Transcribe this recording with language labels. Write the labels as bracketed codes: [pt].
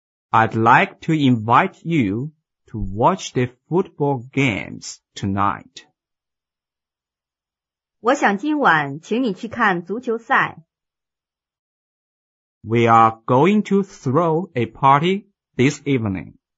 [en] I'd like to invite you to watch the football games tonight. [zh] 我想今晚请你去看足球赛。 [en] We are going to throw a party this evening.